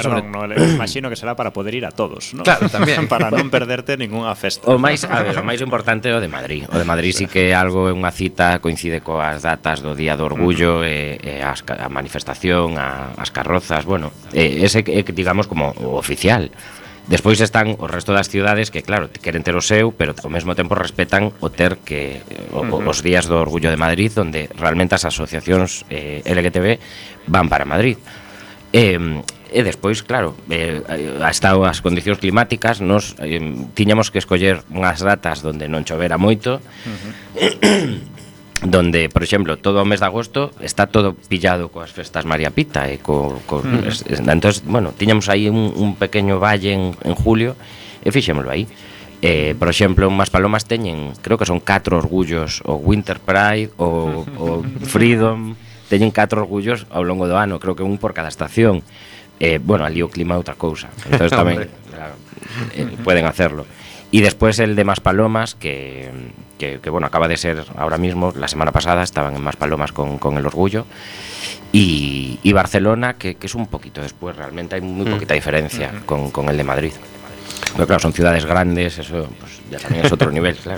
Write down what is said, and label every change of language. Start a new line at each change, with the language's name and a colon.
Spanish: perdón, no, me imagino que será para poder ir a todos, ¿no? Claro, también. Para no perderte ninguna festa. O más importante, o de Madrid. O de Madrid sí que algo, una cita, coincide con las datas do Día do Orgullo, a manifestación, a as carrozas, bueno, ese, digamos, como oficial.
Galician: Despois están o resto das cidades que, claro, queren ter o seu, pero ao mesmo tempo respetan o ter que os días do Orgullo de Madrid, onde realmente as asociacións LGTB van para Madrid. E despois, claro, hasta as condicións climáticas, nos tiñamos que escoller unhas datas onde non chovera moito, donde, por exemplo, todo o mes de agosto está todo pillado coas festas María Pita e entonces, bueno, tiñamos aí un pequeno valle en julio e fixémoslo aí. Por exemplo, unhas palomas teñen, creo que son 4 orgullos, o Winter Pride o Freedom, teñen 4 orgullos ao longo do ano, creo que un por cada estación. Bueno, ali o clima é outra cousa, entonces tamén
Spanish: pueden hacerlo. Y después el de Maspalomas, que bueno, acaba de ser ahora mismo, la semana pasada estaban en Maspalomas con el orgullo. Y Barcelona, que es un poquito después, realmente hay muy poquita diferencia con el de Madrid. Pero claro, son ciudades grandes, eso pues, ya también es otro nivel, claro.